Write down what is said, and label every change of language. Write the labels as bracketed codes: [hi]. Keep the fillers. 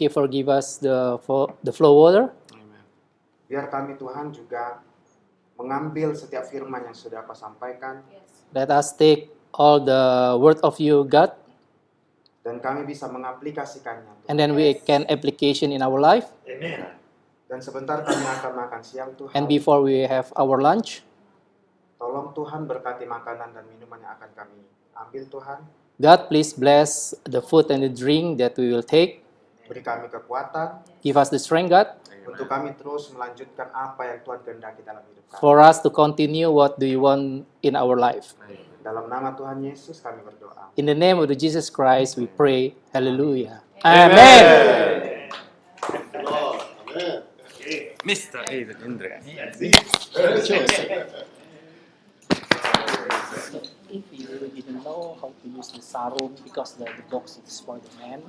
[en] you for give us the flow, the flow water. Amen. [id] Biar kami Tuhan juga mengambil setiap firman yang sudah kau sampaikan. Yes. [en] Let us take all the word of you God. [id] Dan kami bisa mengaplikasikannya. [en] And then we can application in our life. [id] Amen dan sebentar kami akan makan siang tuh. [en] And before we have our lunch, [id] tolong Tuhan berkati makanan dan minuman yang akan kami ambil Tuhan. [en] God please bless the food and the drink that we will take. [id] Beri kami kekuatan. [en] Give us the strength God. Amen. [id] Untuk kami terus melanjutkan apa yang Tuhan kehendaki dalam hidup kami. [en] For us to continue what do you want in our life. Amen. [id] Dalam nama Tuhan Yesus kami berdoa. [en] In the name of the Jesus Christ we pray. Hallelujah. Amen. Amen. Mr. Aiden Indra. Yes. if you really didn't know how to use the sarum because the, the box is for the men.